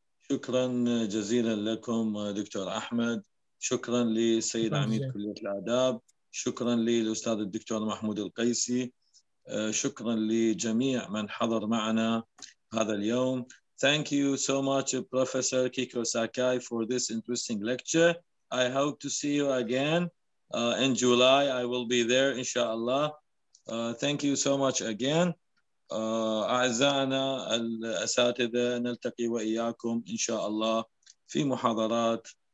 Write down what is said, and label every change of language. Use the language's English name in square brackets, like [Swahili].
[Arabic] شكرا جزيلا لكم دكتور أحمد، شكرا للسيد عميد كلية الآداب، شكرا للأستاذ الدكتور محمود القيسي، شكرا لجميع من حضر معنا هذا اليوم. [English] Thank you so much, Professor Kiko Sakai, for this interesting lecture. I hope to see you again in July. I will be there, inshallah. Thank you so much again. [Arabic] أعزائنا الأساتذة، نلتقي وإياكم إن شاء الله في محاضرات